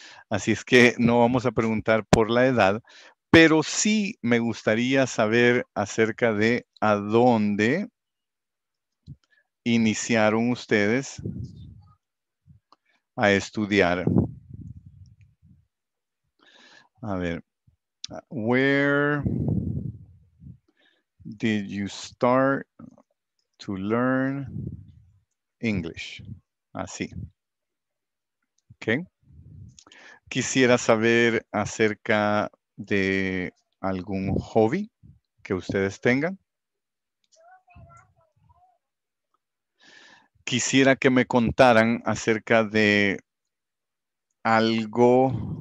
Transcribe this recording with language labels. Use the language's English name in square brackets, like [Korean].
[Spanish] Así es que no vamos a preguntar por la edad, pero sí me gustaría saber acerca de a dónde iniciaron ustedes a estudiar. A ver, [English] where did you start to learn English? [Spanish] Así. Ok. Quisiera saber acerca de algún hobby que ustedes tengan. Quisiera que me contaran acerca de algo.